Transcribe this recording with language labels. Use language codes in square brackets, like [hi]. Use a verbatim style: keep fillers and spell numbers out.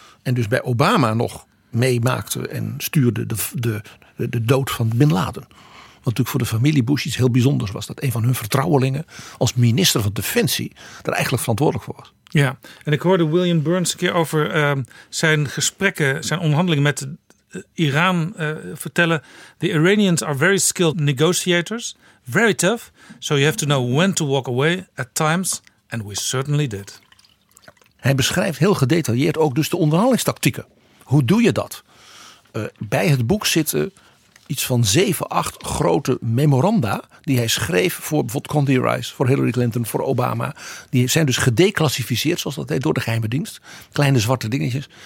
[nl] En dus bij Obama nog meemaakte en stuurde de, de, de dood van Bin Laden. Wat natuurlijk voor de familie Bush iets heel bijzonders was. Dat een van hun vertrouwelingen als minister van Defensie daar eigenlijk verantwoordelijk voor was. Ja, en ik hoorde William Burns een keer over uh, zijn gesprekken, zijn onderhandelingen met uh, Iran uh, vertellen. [en] The Iranians are very skilled negotiators, very tough. So you have to know when to walk away at times. And we certainly did. [nl] Hij beschrijft heel gedetailleerd ook dus de onderhandelingstactieken. Hoe doe je dat? Uh, bij het boek zitten iets van zeven, acht grote memoranda die hij schreef voor bijvoorbeeld Condi Rice, voor Hillary Clinton, voor Obama. Die zijn dus gedeclassificeerd, zoals dat heet, door de geheime dienst. Kleine zwarte dingetjes.